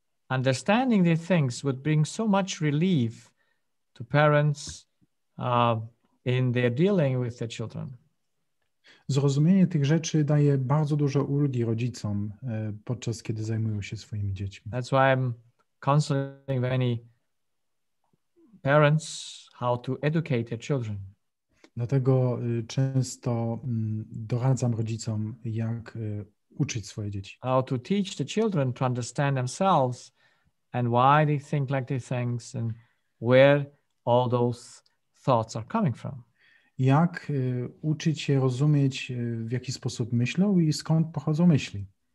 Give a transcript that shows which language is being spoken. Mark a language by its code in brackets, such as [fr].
[en] Understanding these things would bring so much relief to parents in their dealing with their children. [pl] Zrozumienie tych rzeczy daje bardzo dużo ulgi rodzicom podczas kiedy zajmują się swoimi dziećmi. [en] That's why I'm counseling many parents how to educate their children. [pl] Dlatego często doradzam rodzicom, jak uczyć swoje dzieci. [en] How to teach the children to understand themselves and why they think like they think and where all those thoughts are coming from. [pl] Jak uczyć je rozumieć, w jaki sposób myślą i skąd pochodzą myśli.